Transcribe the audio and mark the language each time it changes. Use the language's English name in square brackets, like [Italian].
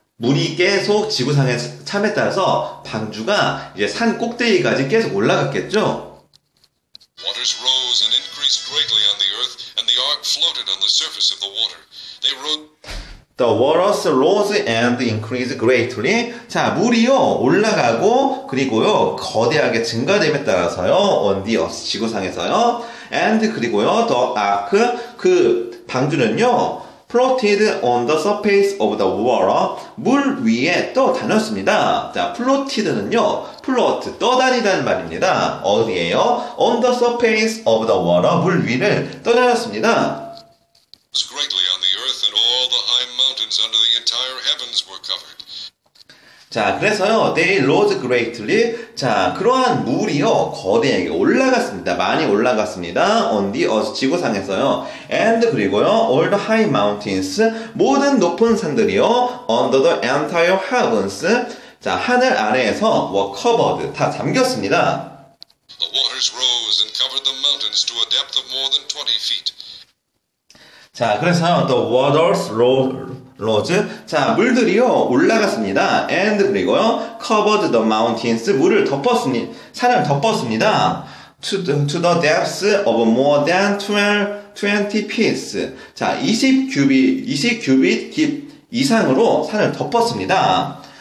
[Korean] 물이 계속 지구상의 참에 따라서 방주가 이제 산 꼭대기까지 계속 올라갔겠죠? [English] Waters rose and increased greatly on the earth, and the ark floated on the surface of the water. They rose. The waters rose and increased greatly. 자, [Korean] 물이요, 올라가고, 그리고요, 거대하게 증가됨에 따라서요, [English] on the earth, [Korean] 지구상에서요, [English] and [Korean] 그리고요, [English] the ark, [Korean] 그 방주는요, [English] floated on the surface of the water, [Korean] 물 위에 또 다녔습니다. 자, floated는요, float, 떠다니다는 말입니다. 어디에요? [English] on the surface of the water, [Korean] 물 위를 떠다녔습니다. [English] Greatly on the earth and all the high mountains under the entire heavens were covered. 자, 그래서요, they rose greatly. [Korean] 자, 그러한 물이요, 거대하게 올라갔습니다. 많이 올라갔습니다. [English] On the earth, [Korean] 지구상에서요. [English] And [Korean] 그리고요, [English] all the high mountains, [Korean] 모든 높은 산들이요, [English] under the entire heavens. [Korean] 자, 하늘 아래에서 were covered, 다 잠겼습니다. [English] The waters rose and covered the mountains to a depth of more than 20 feet. 자, 그래서 the waters rose. [Korean] 자, 물들이요 올라갔습니다. [English] And [Korean] 그리고요 [English] covered the mountains. [Korean] 물을 덮었습니다. 산을 덮었습니다. [English] To the depths of more than 20 feet. [Korean] 자, 20 규빗 깊 이상으로 산을 덮었습니다.